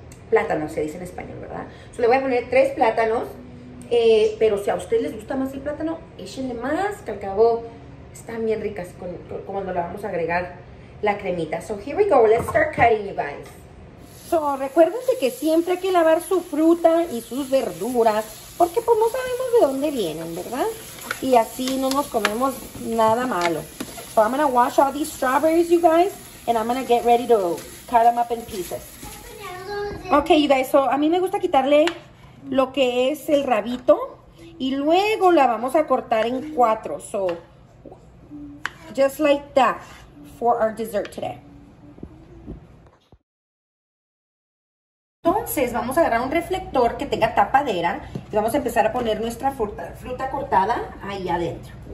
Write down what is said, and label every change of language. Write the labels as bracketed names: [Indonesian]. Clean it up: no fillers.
[Spanish] Plátano se dice en español, ¿verdad? So, le voy a poner 3 plátanos, pero si a ustedes les gusta más el plátano, échenle más, que al cabo están bien ricas con cuando le vamos a agregar la cremita. [English] So here we go, let's start cutting, you guys. [Spanish] So recuérdense que siempre hay que lavar su fruta y sus verduras, porque pues no sabemos de dónde vienen, ¿verdad? Y así no nos comemos nada malo. [English] So I'm gonna wash all these strawberries, you guys, and I'm gonna get ready to cut them up in pieces. Ok, you guys, so [Spanish] a mí me gusta quitarle lo que es el rabito y luego la vamos a cortar en 4. [English] So, just like that for our dessert today. [Spanish] Entonces, vamos a agarrar un reflector que tenga tapadera y vamos a empezar a poner nuestra fruta cortada ahí adentro.